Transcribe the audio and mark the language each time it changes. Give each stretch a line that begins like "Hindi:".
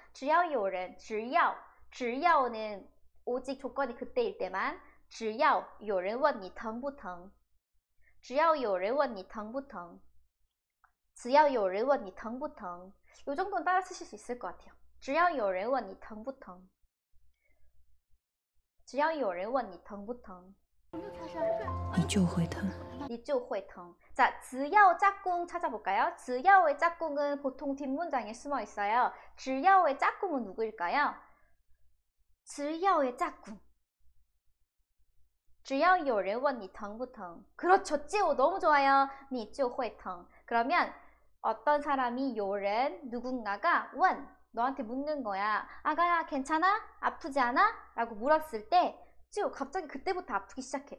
Chinese: 只要有人，只要
Korean: 는오직조건이그때일때만，
Chinese: 只要有人问你疼不疼，只要有人问你疼不疼，只要有人问你疼不疼。
Korean: 요정도는따라쓰실수있을것같아요。
Chinese: 只要有人问你疼不疼，只要有人问你疼不疼，你就会疼，你就会疼。
Korean: 자只要짝꿍찾아볼까요？ 只要의짝꿍은보통뒷문장에숨어있어요。只要의짝꿍은누구일까요？
Chinese: 只要의짝꿍，只要有人问你疼不疼，
Korean: 그렇죠지오너무좋아요。
Chinese: 你就会疼。
Korean: 그러면어떤사람이요렌누군가가원너한테묻는거야。 아가야괜찮아，아프지않아라고물었을때쭈갑자기그때부터아프기시작해。